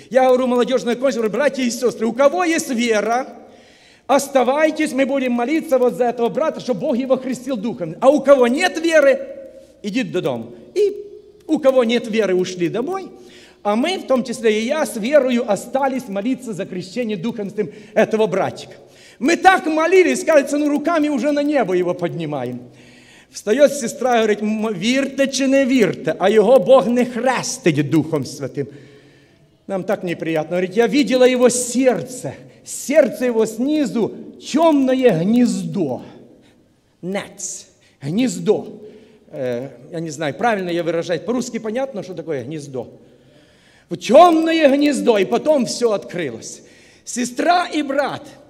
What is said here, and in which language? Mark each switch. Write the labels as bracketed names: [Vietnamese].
[Russian] Я говорю, молодежная консерва, братья и сестры, у кого есть вера, оставайтесь, мы будем молиться вот за этого брата, чтобы Бог его крестил Духом. А у кого нет веры, идите додому. И у кого нет веры, ушли домой. А мы, в том числе и я, с верою остались молиться за крещение Духом Святым этого братика. Мы так молились, кажется, ну руками уже на небо его поднимаем. Встает сестра и говорит, [Ukrainian] вірте чи не вірте, а його Бог не хрестить Духом Святим. [Russian] Нам так неприятно. Говорить, я видела его сердце. Сердце его снизу темное гнездо. Нец. Гнездо. Я не знаю, правильно я выражаю. По-русски понятно, что такое гнездо? Темное гнездо. И потом все открылось. Сестра и брат.